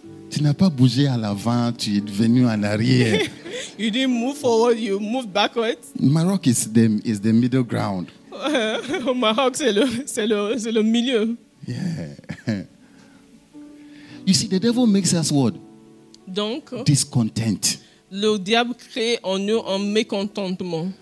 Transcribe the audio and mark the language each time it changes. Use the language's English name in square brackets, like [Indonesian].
[French] Tu n'as pas bougé à l'avant, tu es venu en arrière. [English] You didn't move forward, you moved backwards. Morocco is the middle ground. [French] Maroc, c'est le milieu. [English] Yeah. You You see, the devil makes us what? [French] Donc, [English] discontent. [French] Le diable crée en nous un mécontentement.